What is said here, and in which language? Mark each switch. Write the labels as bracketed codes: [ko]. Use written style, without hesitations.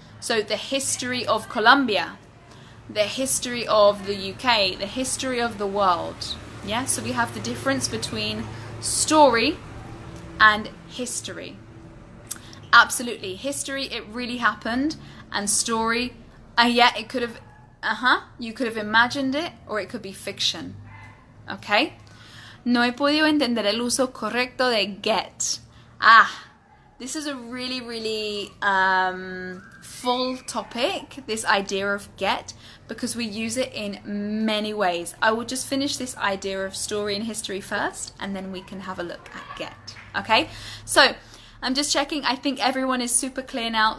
[en] So the history of Colombia, the history of the UK, the history of the world. Yeah? So we have the difference between story and history. Absolutely. History, it really happened. And story, it could have... You could have imagined it, or it could be fiction. Okay? [es] No he podido entender el uso correcto de get. [en] Ah, this is a really, really full topic, this idea of get, because we use it in many ways. I will just finish this idea of story and history first, and then we can have a look at get. Okay? So, I'm just checking. I think everyone is super clear now.